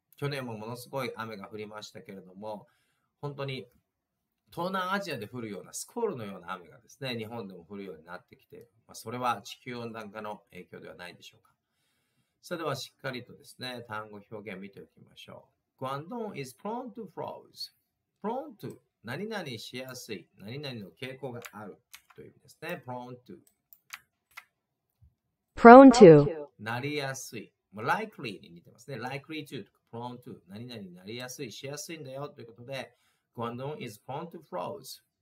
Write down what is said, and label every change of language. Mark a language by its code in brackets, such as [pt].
[ja] 去年もものすごい雨が降りましたけれども、本当に東南アジアで降るようなスコールのような雨がですね、日本でも降るようになってきて、まあ、それは地球温暖化の影響ではないでしょうか。それではしっかりとですね、単語表現見ておきましょう。 [en] Guangdong is prone to floods. [ja] Prone to 何々しやすい、何々の傾向があるという意味ですね。 [en] Prone to。 Prone to [ja] なりやすい。まあ、likely に似てますね。Likely to とか prone to 何々になりやすい、しやすいんだよということで、 [en] Guangdong is prone to floods。